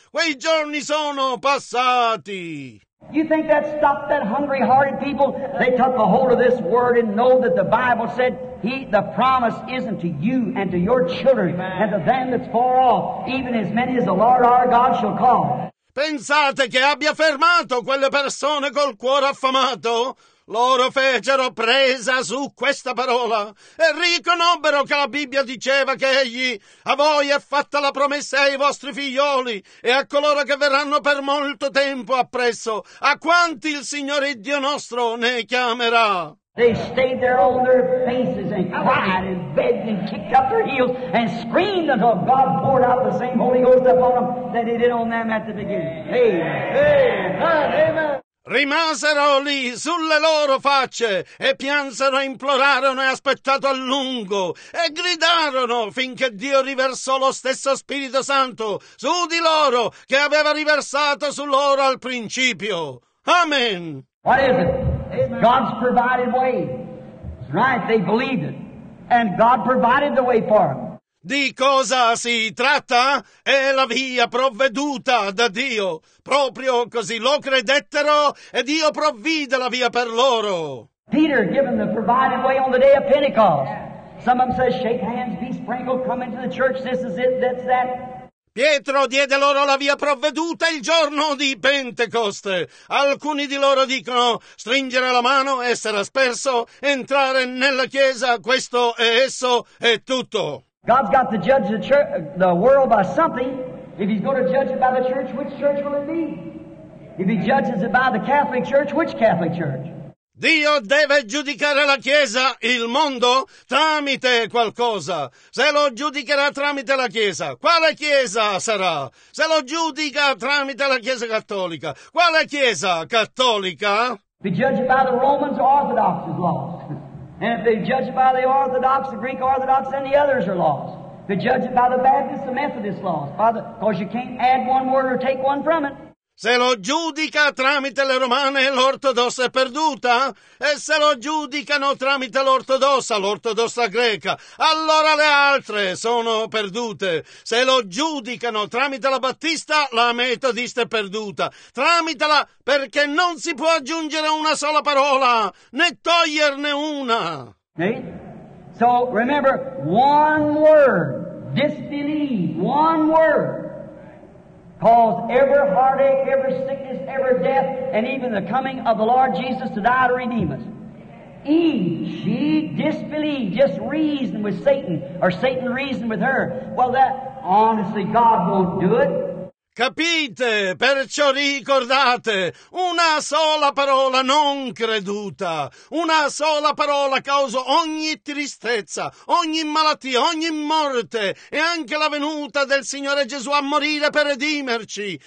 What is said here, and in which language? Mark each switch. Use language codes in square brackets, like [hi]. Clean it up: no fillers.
[it] Quei giorni sono passati. [en] You think that stopped that hungry-hearted people? They took a hold of this word and know that the Bible said the promise isn't to you and to your children and to them that's far off, even as many as the Lord our God shall call. [it] Pensate che abbia fermato quelle persone col cuore affamato? Loro fecero presa su questa parola e riconobbero che la Bibbia diceva che egli a voi è fatta la promessa ai vostri figlioli e a coloro che verranno per molto tempo appresso, a quanti il Signore Dio nostro ne chiamerà. [en] They stayed there on their faces and cried and begged and kicked up their heels and screamed until God poured out the same Holy Ghost upon them that he did on them at the beginning. Amen. [it] Rimasero lì sulle loro facce e piansero e implorarono e aspettato a lungo e gridarono finché Dio riversò lo stesso Spirito Santo su di loro che aveva riversato su loro al principio. Amen. [en] What is it? God's provided way. It's right, they believed it. And God provided the way for them. [it] Di cosa si tratta? È la via provveduta da Dio. Proprio così lo credettero e Dio provvide la via per loro. [en] Peter given the provided way on the day of Pentecost. Some of them says, shake hands, be sprinkled, come into the church, this is it, that's that. [it] Pietro diede loro la via provveduta il giorno di Pentecoste. Alcuni di loro dicono, stringere la mano, essere asperso, entrare nella chiesa, questo è esso, è tutto. [en] God's got to judge the world by something. If he's going to judge it by the church, which church will it be? If he judges it by the Catholic Church, which Catholic Church? [it] Dio deve giudicare la Chiesa, il mondo, tramite qualcosa. Se lo giudicherà tramite la Chiesa, quale Chiesa sarà? Se lo giudica tramite la Chiesa Cattolica, quale Chiesa Cattolica? [en] If he judges it by the Romans, Orthodox is lost. And if they judge it by the Orthodox, the Greek Orthodox, then the others are lost. If they judge it by the Baptist, the Methodist is lost. Because you can't add one word or take one from it. [it] Se lo giudica tramite le romane, l'ortodossa è perduta. E se lo giudicano tramite l'ortodossa greca, allora le altre sono perdute. Se lo giudicano tramite la battista, la metodista è perduta. Tramitela, perché non si può aggiungere una sola parola, né toglierne una. [en] Okay. So, remember, one word, disbelieve, one word. Caused every heartache, every sickness, every death, and even the coming of the Lord Jesus to die to redeem us. Eve, she disbelieved, just reasoned with Satan, or Satan reasoned with her. Well, that, honestly, God won't do it. [it] Capite, perciò ricordate, una sola parola non creduta, una sola parola causa ogni tristezza, ogni malattia, ogni morte e anche la venuta del Signore Gesù a morire per redimerci.